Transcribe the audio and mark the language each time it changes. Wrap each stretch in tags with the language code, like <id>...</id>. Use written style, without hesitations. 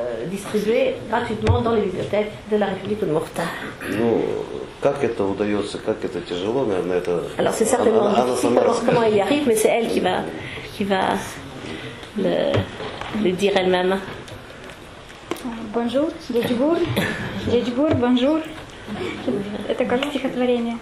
<fr>Distribués gratuitement dans les bibliothèques de la République de Morta.</fr> <ru>Ну, как это удается, как это тяжело, наверное, это...</ru> <fr>Alors, c'est certainement difficile de voir comment elle y arrive, mais c'est elle qui va le dire elle-même. Bonjour, Djedjibourg. Djedjibourg, bonjour.</fr> <ru>Это как стихотворение.</ru>